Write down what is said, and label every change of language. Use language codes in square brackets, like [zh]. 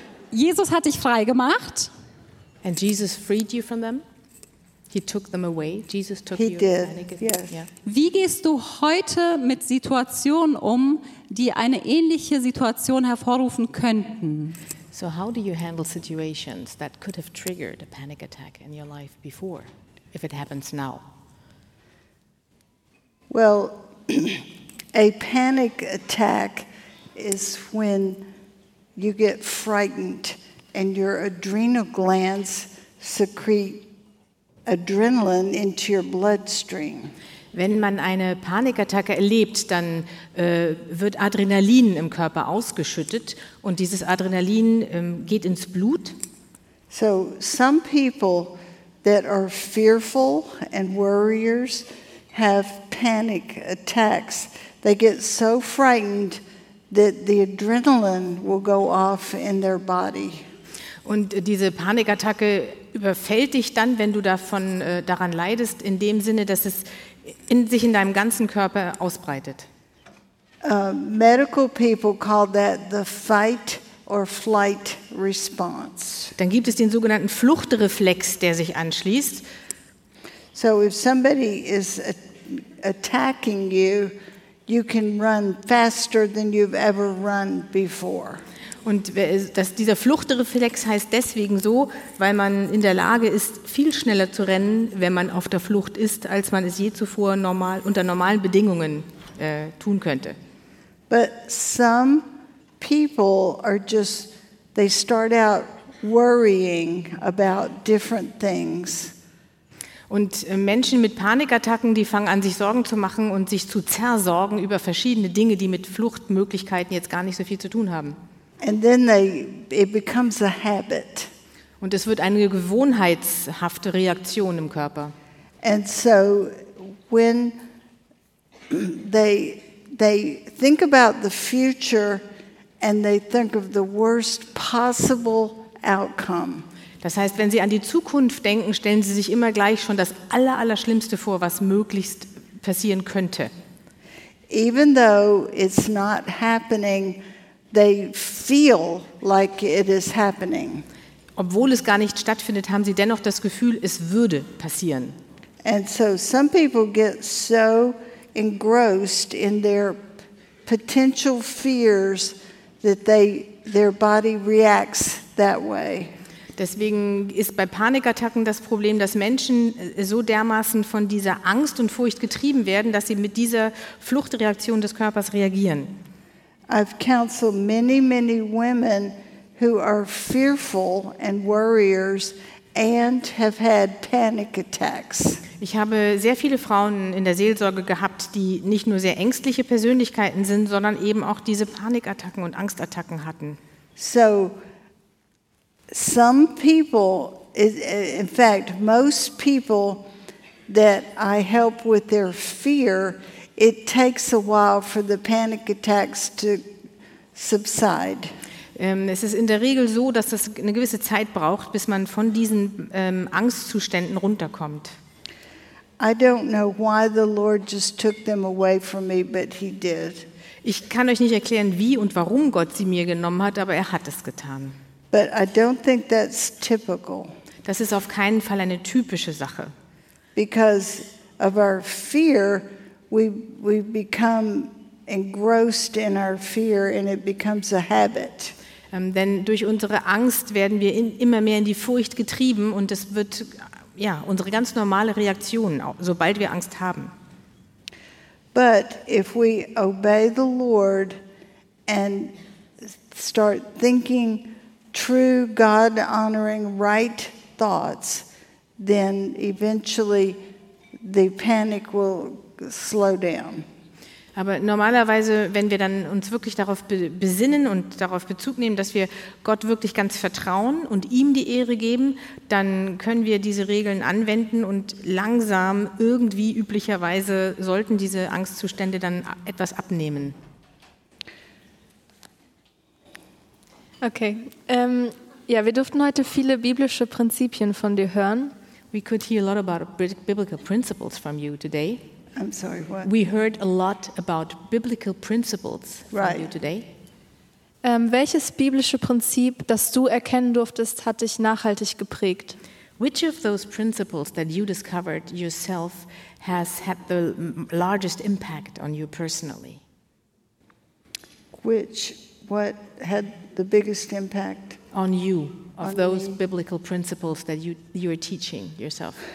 [de] Jesus hat dich frei gemacht. [en] And Jesus freed you from them. He took them away. Jesus took he you. He did, panic attacks. Yes. Yeah. [de] Wie gehst du heute mit Situationen um, die eine ähnliche Situation hervorrufen könnten? [en] So how do you handle situations that could have triggered a panic attack in your life before, if it happens now? Well, a panic attack is when you get frightened and your adrenal glands secrete adrenaline into your bloodstream. [de] Wenn man eine Panikattacke erlebt, dann wird Adrenalin im Körper ausgeschüttet und dieses Adrenalin geht ins Blut. [en] So some people that are fearful and worriers have panic attacks. They get so frightened that the adrenaline will go off in their body. [de] Und diese Panikattacke überfällt dich dann, wenn du davon daran leidest, in dem Sinne, dass es sich in deinem ganzen Körper ausbreitet. [en] Medical people call that the fight or flight response. [de] Dann gibt es den sogenannten Fluchtreflex, der sich anschließt. [en] So if somebody is attacking you, you can run faster than you've ever run before. [de] Und dieser Fluchtreflex heißt deswegen so, weil man in der Lage ist, viel schneller zu rennen, wenn man auf der Flucht ist, als man es je zuvor unter normalen Bedingungen tun könnte. [en] But some people are just, they start out worrying about different things. [de] Und Menschen mit Panikattacken, die fangen an, sich Sorgen zu machen und sich zu zersorgen über verschiedene Dinge, die mit Fluchtmöglichkeiten jetzt gar nicht so viel zu tun haben. [en] And then it becomes a habit. [de] Und es wird eine gewohnheitshafte Reaktion im Körper. [en] And so when they think about the future and they think of the worst possible outcome. [de] Das heißt, wenn Sie an die Zukunft denken, stellen Sie sich immer gleich schon das Allerschlimmste vor, was möglichst passieren könnte. [en] Even though it's not happening, they feel like it is happening. [de] Obwohl es gar nicht stattfindet, haben sie dennoch das Gefühl, es würde passieren. [en] And so some people get so engrossed in their potential fears that their body reacts that way. [de] Deswegen ist bei Panikattacken das Problem, dass Menschen so dermaßen von dieser Angst und Furcht getrieben werden, dass sie mit dieser Fluchtreaktion des Körpers reagieren. [en] I've counseled many, many women who are fearful and worriers and have had panic attacks. [de] Ich habe sehr viele Frauen in der Seelsorge gehabt, die nicht nur sehr ängstliche Persönlichkeiten sind, sondern eben auch diese Panikattacken und Angstattacken hatten. [en] So some people, in fact, most people that I help with their fear, it takes a while for the panic attacks to subside. [de] Es ist in der Regel so, dass das eine gewisse Zeit braucht, bis man von diesen Angstzuständen runterkommt. [en] I don't know why the Lord just took them away from me, but he did. [de] Ich kann euch nicht erklären, wie und warum Gott sie mir genommen hat, aber er hat es getan. [en] But I don't think that's typical. [de] Das ist auf keinen Fall eine typische Sache. [en] Because of our fear, we become engrossed in our fear and it becomes a habit. [de] Denn durch unsere Angst werden wir immer mehr in die Furcht getrieben und es wird ja unsere ganz normale Reaktion, sobald wir Angst haben. [en] But if we obey the Lord and start thinking true God honoring right thoughts, then eventually the panic will slow down. [de] Aber normalerweise, wenn wir dann uns wirklich darauf besinnen und darauf Bezug nehmen, dass wir Gott wirklich ganz vertrauen und ihm die Ehre geben, dann können wir diese Regeln anwenden und langsam irgendwie üblicherweise sollten diese Angstzustände dann etwas abnehmen. [en] Okay. [de] Ja, wir durften heute viele biblische Prinzipien von dir hören. [en] We could hear a lot about biblical principles from you today. I'm sorry, what? We heard a lot about biblical principles from you today. [de] Welches biblische Prinzip, das du erkennen durftest, hat dich nachhaltig geprägt? [en] Which of those principles that you discovered yourself has had the largest impact on you personally? What had the biggest impact on you of on those me. Biblical principles that you are teaching yourself?